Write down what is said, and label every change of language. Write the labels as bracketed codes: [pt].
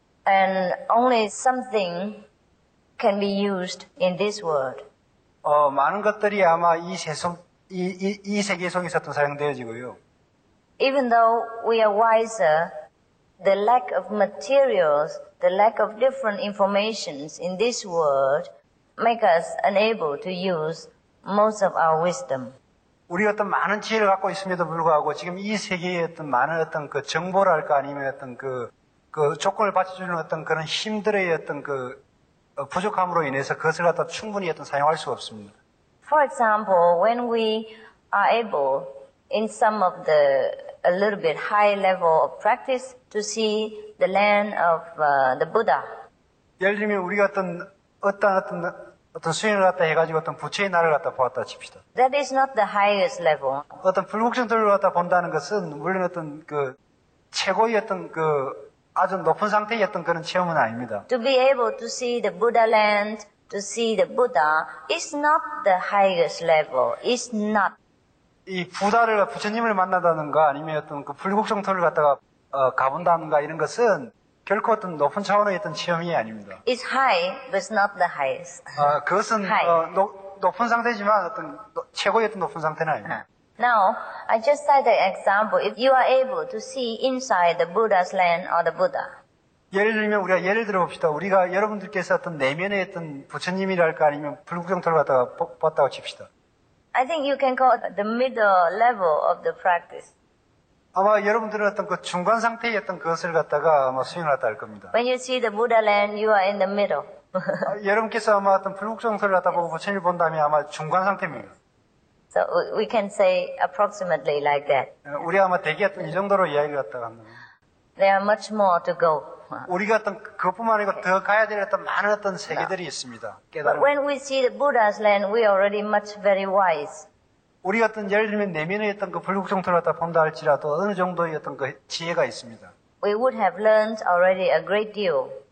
[en] and only something can be used in this world. [ko] 많은 것들이 아마 이 세계 속에서도 사용되어지고요. [en] Even though we are wiser, the lack of materials, the lack of different informations in this world make us unable to use most of our wisdom. [ko] 우리 어떤 많은 지혜를 갖고 있음에도 불구하고 지금 이 세계의 어떤 많은 어떤 그 정보랄까 아니면 어떤 그 조건을 받쳐주는 어떤 그런 힘들의 어떤 그 부족함으로 인해서 그것을 갖다 충분히 어떤 사용할 수 없습니다. [en] For example, when we are able in some of the a little bit high level of practice to see the land of the Buddha. [ko] 예를 들면 우리가 어떤 수행을 갖다 해가지고 어떤 부처의 나를 갖다 보았다 칩시다. [en] That is not the highest level. [ko] 어떤 불국정들을 갖다 본다는 것은 물론 어떤 그 최고의 어떤 그 아주 높은 상태의 어떤 그런 체험은 아닙니다. [en] To be able to see the Buddha land, to see the Buddha, is not the highest level. It's not. [ko] 이 부다를 부처님을 만난다든가 아니면 어떤 그 불국정토를 갖다가 가본다든가 이런 것은 결코 어떤 높은 차원의 어떤 체험이 아닙니다. [en] It's high, but not the highest. [ko] 그것은 높은 상태지만 어떤 최고의 어떤 높은 상태는 아닙니다. [en] Now, I just said the example. If you are able to see inside the Buddha's land or the Buddha. [ko] 예를 들면 우리가 예를 들어 봅시다. 우리가 여러분들께서 어떤 내면의 어떤 부처님이랄까 아니면 불국정토를 갖다가 봤다고 칩시다. [en] I think you can call it the middle level of the practice. [ko] 아마 여러분들은 어떤 그 중간 상태의 어떤 그것을 갖다가 아마 수행을 하다 할 겁니다. [en] When you see the Buddha land, you are in the middle. [ko] 여러분께서 아마 어떤 불국정토를 갖다 보고 부처님을 본다면 아마 중간 상태입니다. [en] So we can say approximately like that. [ko] 우리 아마 대개 어떤 이 정도로 이야기를 갖다가 합니다. [en] There are much more to go. [ko] 우리가 어떤 그것뿐만 아니고 더 가야 될 어떤 많은 어떤 세계들이 있습니다. 깨달음. [en] But when we see the Buddha's land, we are already much very wise. [ko] 우리 어떤 예를 들면 내면에 있던 그 불국정토를 갖다 본다 할지라도 어느 정도의 어떤 그 지혜가 있습니다. [en] We would have learned already a great deal.